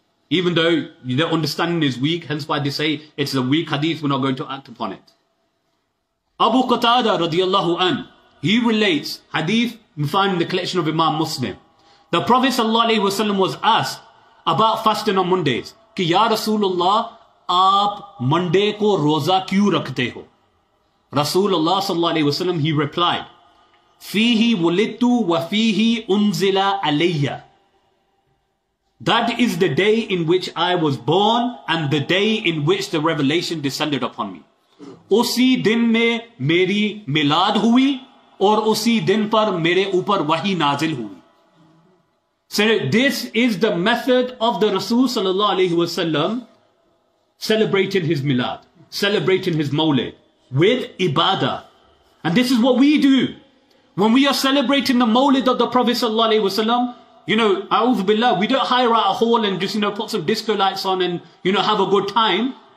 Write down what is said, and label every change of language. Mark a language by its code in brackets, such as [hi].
[en] Even though their understanding is weak, hence why they say it's a weak hadith, we're not going to act upon it. Abu Qatada radiallahu an, he relates hadith we find in the collection of Imam Muslim. The Prophet sallallahu alayhi wa sallam was asked about fasting on Mondays. [ur] کی یا رسول اللہ، آپ Monday کو روزہ کیوں رکھتے ہو؟ [en] Rasulullah sallallahu alayhi wa sallam, he replied, [ar] fihi wulittu wa fihi unzila alayya. [en] That is the day in which I was born and the day in which the revelation descended upon me. [ur] اسی دن میں میری میلاد ہوئی اور اسی دن پر میرے اوپر وحی نازل ہوئی۔ [en] So this is the method of the Rasul sallallahu alayhi wa sallam celebrating his milad, celebrating his mawlid with ibadah. And this is what we do. When we are celebrating the mawlid of the Prophet sallallahu alayhi wa sallam, you know, a'udhu billah, we don't hire out a hall and just, you know, put some disco lights on and, you know, have a good time.